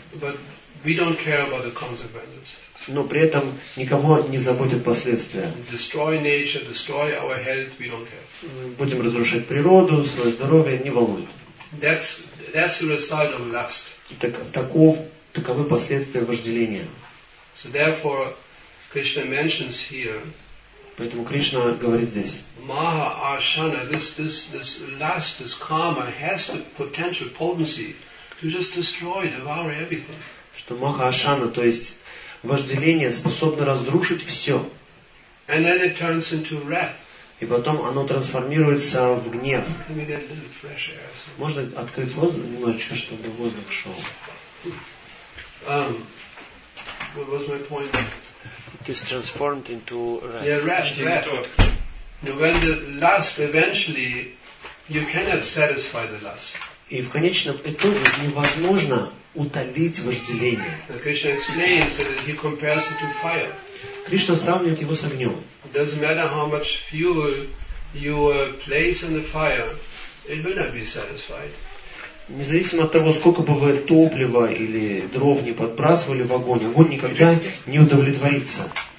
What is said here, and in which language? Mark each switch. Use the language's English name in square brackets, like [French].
[English] But we don't care about the consequences. [Russian] Но при этом никого не заботят последствия. [English] Destroy nature, destroy our health, we don't care. [Russian] Будем разрушать природу, свое здоровье – не волнует. [English] That's the result of lust. [Russian] Таковы последствия вожделения. [English] So therefore, Krishna mentions here. [Russian] Поэтому Кришна говорит здесь. [English] Maha Arshana, this lust, this karma has the potential potency to just destroy, devour everything. [Russian] Что Maha Arshana, то есть вожделение, способно разрушить все. [English] And then it turns into wrath. [Russian] И потом оно трансформируется в гнев. [English] Can we get a little fresh air? [Russian] Можно открыть воздух немножечко, чтобы воздух шел. [English] What was my point? It is transformed into wrath. Yeah, wrath. When the lust eventually, you cannot satisfy the lust. [Russian] И в конечном итоге невозможно утолить вожделение. [English] Krishna explains that he compares it to fire. [Russian] Кришна сравнивает его с огнем. [English] Doesn't matter how much fuel you place in the fire, it will not be satisfied. [Russian] Независимо от того, сколько бы вы топлива или дров не подбрасывали в огонь, огонь никогда не удовлетворится.